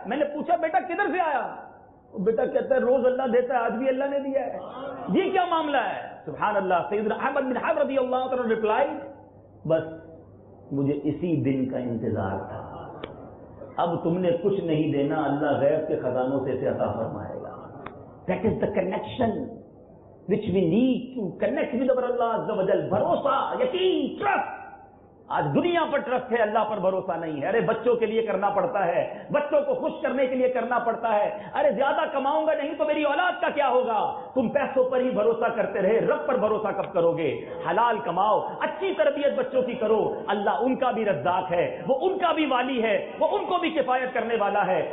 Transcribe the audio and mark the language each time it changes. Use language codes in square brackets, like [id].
[ur] میں نے پوچھا بیٹا کدھر سے آیا, بیٹا کہتا ہے روز اللہ دیتا ہے آج بھی اللہ نے دیا ہے. یہ کیا معاملہ ہے؟ سبحان اللہ, سیدنا احمد بن حرب رضی اللہ عنہ ریپلائیڈ, بس مجھے اسی دن کا انتظار تھا, اب تم نے کچھ نہیں دینا, اللہ غیب کے خزانوں سے اسے عطا فرمائے گا. [en] That is the connection which we need to connect with our اللہ عز و جل. [ur] بھروسہ, یقین, ٹرسٹ. آج دنیا پر ٹرسٹ ہے, اللہ پر بھروسہ نہیں ہے. ارے بچوں کے لیے کرنا پڑتا ہے, بچوں کو خوش کرنے کے لیے کرنا پڑتا ہے, ارے زیادہ کماؤں گا نہیں تو میری اولاد کا کیا ہوگا. تم پیسوں پر ہی بھروسہ کرتے رہے, رب پر بھروسہ کب کرو گے؟ حلال کماؤ, اچھی تربیت بچوں کی کرو, اللہ ان کا بھی رزاق ہے, وہ ان کا بھی والی ہے, وہ ان کو بھی کفایت کرنے والا ہے.